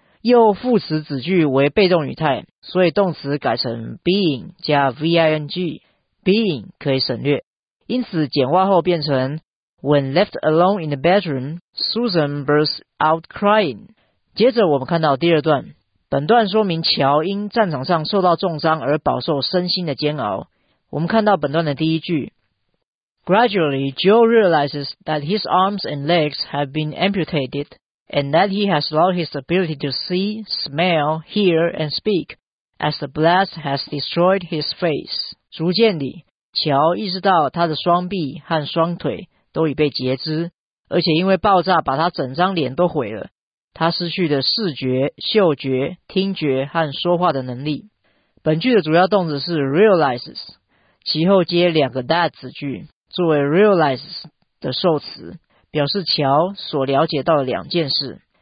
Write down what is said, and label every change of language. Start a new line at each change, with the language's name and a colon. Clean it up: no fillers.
Chinese: 又副词子句为被动语态，所以动词改成 being 加 ving， being 可以省略，因此简化后变成
English: When left alone in the bedroom, Susan burst out crying。
Chinese: 接着我们看到第二段，本段说明乔因战场上受到重伤而饱受身心的煎熬。我们看到本段的第一句，
English: Gradually, Joe realizes that his arms and legs have been amputated and that he has lost his ability to see, smell, hear, and speak as the blast has destroyed his face.
Chinese: 逐渐地，乔意识到他的双臂和双腿都已被截肢，而且因为爆炸把他整张脸都毁了。他失去的视觉、嗅觉、听觉和说话的能力。本句的主要动词是 realizes， 其后接两个 that 子句作为 realizes 的受词，表示乔所了解到的两件事。